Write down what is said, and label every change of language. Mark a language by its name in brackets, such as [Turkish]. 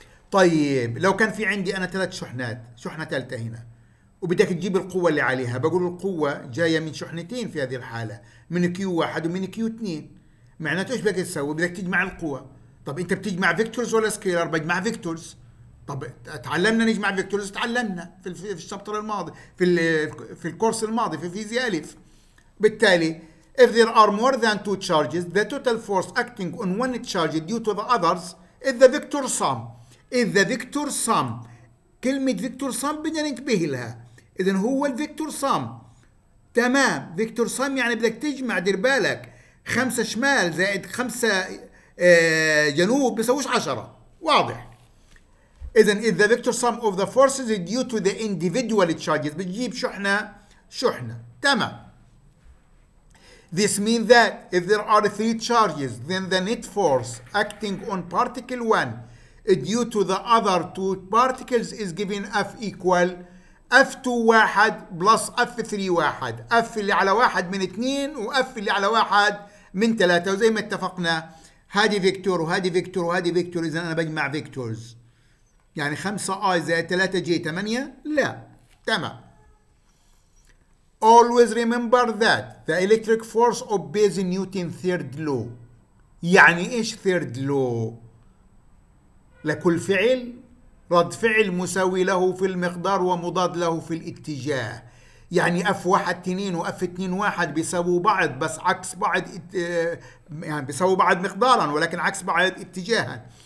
[Arabic] طيب لو كان في عندي انا ثلاث شحنات، شحنه ثالثه هنا، وبدك تجيب القوه اللي عليها، بقول القوه جايه من شحنتين في هذه الحاله، من كيو 1 ومن كيو 2، معناته ايش بدك تسوي؟ بدك تجمع القوه. طب انت بتجمع فيكتورز ولا سكيلر؟ بجمع فيكتورز. طب تعلمنا نجمع فيكتورز، تعلمنا في الشابتر الماضي، في الكورس الماضي في فيزياء الف. بالتالي [English] if there are more than two charges the total force acting on one charge due to the others is the vector sum. is the vector sum، [Arabic] كلمه فيكتور سام بدنا ننتبه لها. اذا هو الفيكتور سام، تمام، فيكتور سام يعني بدك تجمع، دير بالك، خمسة شمال زائد خمسة جنوب بيسويش 10، واضح. اذا اذا [English] vector sum of the forces due to the individual charges, [Arabic] بتجيب شحنه شحنه، تمام. [English] This means that if there are three charges then the net force acting on particle 1 due to the other two particles is given F equal F2 1 plus F3 1. [Arabic] F اللي على واحد من اثنين و F اللي على واحد من ثلاثة، وزي ما اتفقنا هذه فيكتور وهذه فيكتور وهذه فيكتور، إذا أنا بجمع فيكتورز يعني 5 I زائد 3 J 8، لا تمام. [English] Always remember that the electric force obeys Newton third law. [Arabic] يعني إيش third law؟ لكل فعل رد فعل مساوي له في المقدار ومضاد له في الاتجاه. يعني اف واحد اتنين واف اتنين واحد بيساووا بعض بس عكس بعض، يعني بيساووا بعض مقدارا ولكن عكس بعض اتجاها.